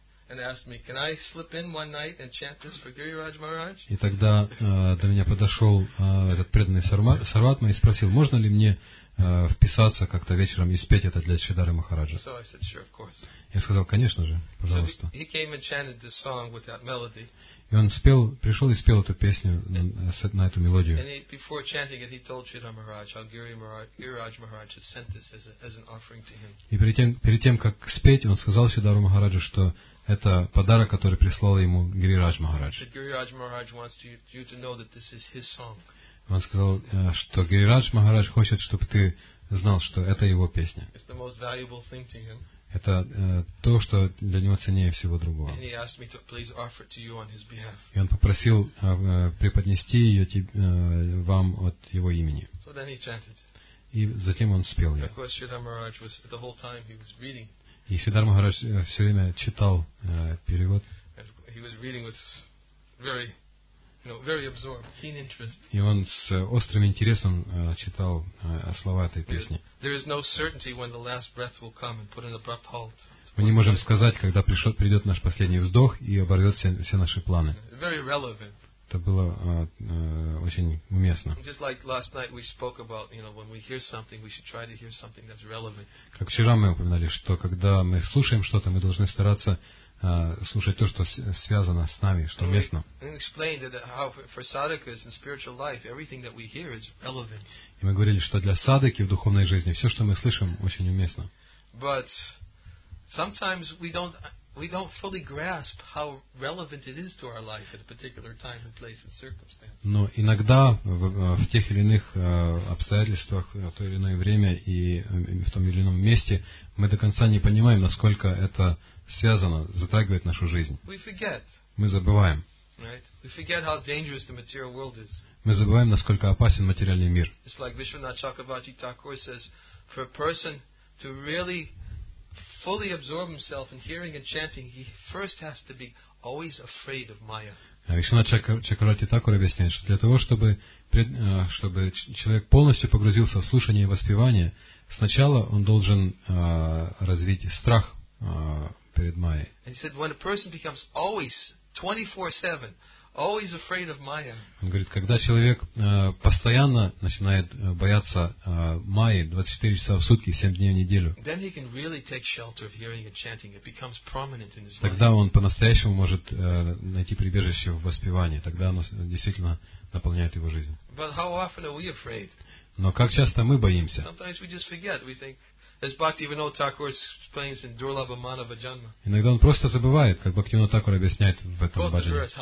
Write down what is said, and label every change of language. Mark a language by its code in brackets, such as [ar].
[en] And asked me, "Can I slip in one night and chant this for Giriraj Maharaj?" [ru] И тогда до меня подошел этот преданный Сарватма и спросил, можно ли мне вписаться как-то вечером и спеть это для Шридхары Махараджа. [en] So I said, "Sure, of course." [ru] Я сказал, конечно же, пожалуйста. [en] So he came and chanted this song with that melody. [ru] И он спел, пришел и спел эту песню на эту мелодию. [en] And before chanting it, he told Shridhar Maharaj how Giriraj Maharaj had sent this as an offering to him. [ru] И перед тем как спеть, он сказал Шридхару Махараджу, что это подарок, который прислал ему Гирирадж Махарадж. [en] Гирирадж Махарадж wants you to know that this is his song. [ru] Он сказал, что Гирирадж Махарадж хочет, чтобы ты знал, что это его песня. [en] It's the most valuable thing to him. [ru] Это то, что для него ценнее всего другого. [en] And he asked me to please offer it to you on his behalf. [ru] И он попросил преподнести ее вам от его имени. [en] So then he chanted. [ru] И затем он спел ее. [en] Of course, Shridhar Maharaj was the whole time he was reading. [ru] И Шридхар Махарадж все время читал перевод. [en] He was reading with very, you know, very absorbed, keen interest. [ru] И он с острым интересом читал слова этой песни. [en] There is no certainty when the last breath will come and put an abrupt halt. [ru] Мы не можем сказать, когда придет наш последний вздох и оборвет все наши планы. [en] Very relevant. [ru] Это было очень уместно. [en] Just like last night we spoke about, you know, when we hear something, we should try to hear something that's relevant. [ru] Как вчера мы упоминали, что когда мы слушаем что-то, мы должны стараться слушать то, что связано с нами, что уместно. [en] And we explained that how for sadhakas in spiritual life, everything that we hear is relevant. [ru] И мы говорили, что для садхаки в духовной жизни все, что мы слышим, очень уместно. [en] But sometimes we don't fully grasp how relevant it is to our life at a particular time and place and circumstance. [ru] Но иногда в тех или иных обстоятельствах, в то или иное время и в том или ином месте мы до конца не понимаем, насколько это связано, затрагивает нашу жизнь. [en] We forget. [ru] Мы забываем. [en] Right? We forget how dangerous the material world is. [ru] Мы забываем, насколько опасен материальный мир. [en] It's like Vishwanath Chakravarti Thakur says, for a person to really fully absorb himself in hearing and chanting, he first has to be always afraid of Maya. [ru] Вишванатх Чакраварти Такур объясняет, что для того, чтобы человек полностью погрузился в слушание и воспевание, сначала он должен развить страх перед Майей. [en] And he said, when a person becomes always 24/7 Always afraid of Maya. [ru] Он говорит, когда человек постоянно начинает бояться Майи 24 часа в сутки, 7 дней в неделю, [en] then he can really take shelter of hearing and chanting. It becomes prominent in his life. [ru] Тогда он по-настоящему может найти прибежище в воспевании. Тогда оно действительно наполняет его жизнь. [en] But how often are we afraid? [ru] Но как часто мы боимся? [en] Sometimes we just forget. We think, as Bhaktivinoda Thakur explains in Durlabha Manava Janma. [ru] Иногда он просто забывает, как Бхактивинода Тхакур объясняет в этом баджане.